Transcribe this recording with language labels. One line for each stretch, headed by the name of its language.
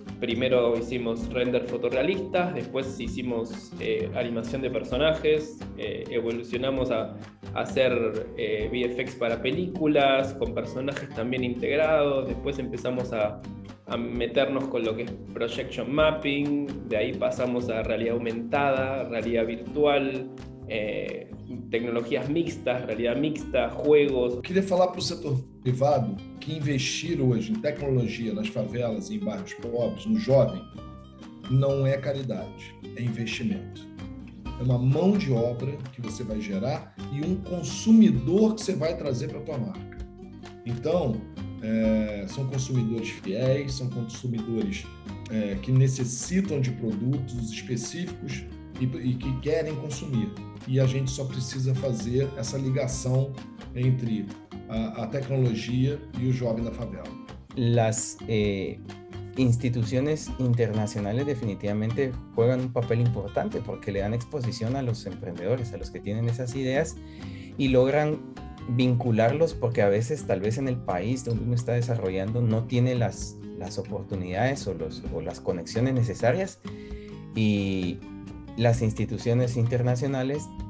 Spanish: Primero hicimos render fotorrealistas, después hicimos animación de personajes, evolucionamos a hacer VFX para películas, con personajes también integrados, después empezamos a meternos con lo que es projection mapping, de ahí pasamos a realidad aumentada, realidad virtual, tecnologías mixtas, realidad mixta, juegos. Quería hablar para el sector privado que
Portuguese: investir hoje em tecnologia nas favelas, em bairros pobres, no jovem, não é caridade, é investimento. É uma mão de obra que você vai gerar e um consumidor que você vai trazer para a tua marca. Então, são consumidores fiéis, são consumidores que necessitam de produtos específicos e que querem consumir. E a gente só precisa fazer essa ligação entre a
Spanish: tecnología y el joven de la favela. Las instituciones internacionales definitivamente juegan un papel importante porque le dan exposición a los emprendedores, a los que tienen esas ideas y logran vincularlos, porque a veces tal vez en el país donde uno está desarrollando no tiene las oportunidades o las conexiones necesarias, y las instituciones internacionales